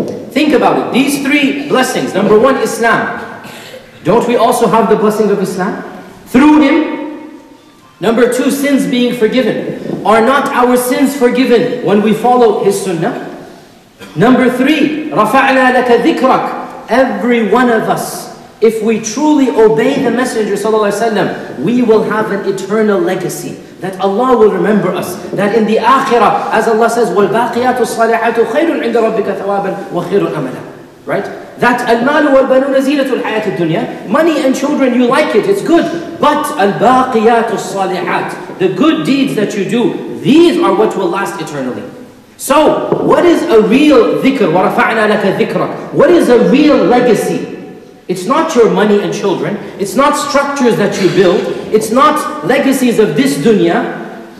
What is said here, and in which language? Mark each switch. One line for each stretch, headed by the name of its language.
English: Think about it. These three blessings. Number one, Islam. Don't we also have the blessing of Islam? Through him. Number two, sins being forgiven. Are not our sins forgiven when we follow his sunnah? Number three,
Arabic: رَفَعْنَا لَكَ ذِكْرَكَ.
English: Every one of us, if we truly obey the Messenger sallallahu alaihi wasallam, we will have an eternal legacy. That Allah will remember us. That in the Akhirah, as Allah says,
Arabic: وَالْبَاقِيَاتُ الصَّالِحَاتُ خَيْرٌ عِنْدَ رَبِّكَ ثَوَابًا وَخَيْرٌ أَمَلًا.
English: Right? That
Arabic: الْمَالُ وَالْبَنُونَ زِينَةُ الْحَيَاةِ الدُّنْيَا.
English: Money and children, you like it, it's good. But
Arabic: الْبَاقِيَاتُ الصَّالِحَاتُ,
English: the good deeds that you do, these are what will last eternally. So, what is a real dhikr?
Arabic: وَرَفَعْنَا لَكَ ذِكْرًا.
English: What is a real legacy? It's not your money and children. It's not structures that you build. It's not legacies of this dunya.